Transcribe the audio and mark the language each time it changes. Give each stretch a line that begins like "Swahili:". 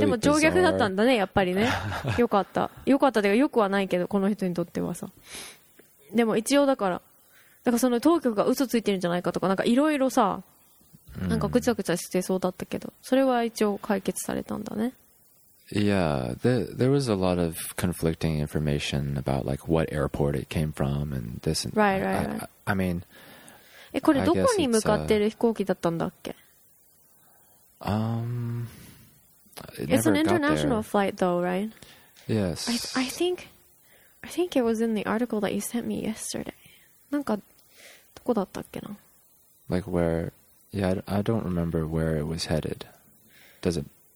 Japanese: でも乗客だったんだねやっぱりね。よかったよかったというか、よくはないけどこの人にとってはさ、でも一応だからその当局が嘘ついてるんじゃないかとか、なんかいろいろさ、なんかぐちゃぐちゃしてそうだったけど、それは一応解決されたんだね。
English: Yeah, there was a lot of conflicting information about like what airport it came from and this and that. Right. I mean,
Japanese: え、これどこに向かってる飛行機だったんだっけ？
English: It's an international flight though, right? Yes. I think it was in the article that you sent me yesterday.
Japanese: なんかどこだったっけな？
English: Like where? Yeah, I don't remember where it was headed. Does it?